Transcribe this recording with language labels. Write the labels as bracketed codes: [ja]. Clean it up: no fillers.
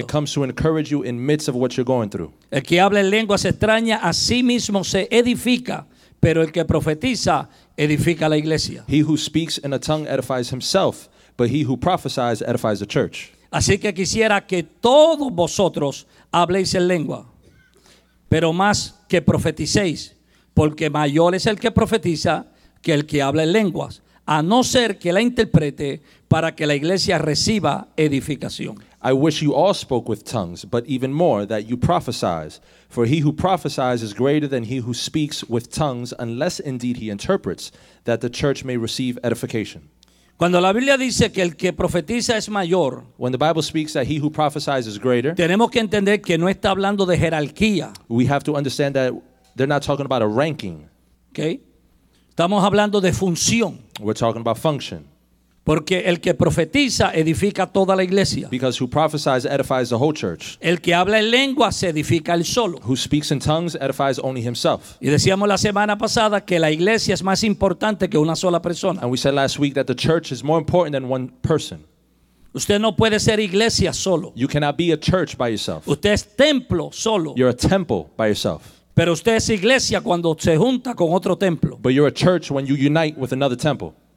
[en] It comes to encourage you in midst of what you're going through. [es] El que habla en lenguas extrañas a sí mismo se edifica, pero el que profetiza edifica la iglesia. [en] He who speaks in a tongue edifies himself, but he who prophesies edifies the church. [es] Así que quisiera que todos vosotros habléis en lengua. Pero más que profeticéis, porque mayor es el que profetiza que el que habla en lenguas, a no ser que la interprete para que la iglesia reciba edificación. [en] I wish you all spoke with tongues, but even more that you prophesize. For he who prophesies is greater than he who speaks with tongues, unless indeed he interprets, that the church may receive edification. [es] Cuando la Biblia dice que el que profetiza es mayor, [en] when the Bible speaks that he who prophesies is greater, [es] tenemos que entender que no está hablando de jerarquía. [en] We have to understand that they're not talking about a ranking. [es] Okay. Estamos hablando de función. [en] We're talking about function. [es] Porque el que profetiza edifica toda la iglesia. [en] Because who prophesies edifies the whole church. [es] El que habla en lengua se edifica él solo. [en] Who speaks in tongues edifies only himself. [es] Y decíamos la semana pasada que la iglesia es más importante que una sola persona. [en] And we said last week that the church is more important than one person. [es] Usted no puede ser iglesia solo. [en] You cannot be a church by yourself. [es] Usted es templo solo. [en] You're a temple by yourself. [es] Pero usted es iglesia cuando se junta con otro templo. [en] But you're a church when you unite with another temple.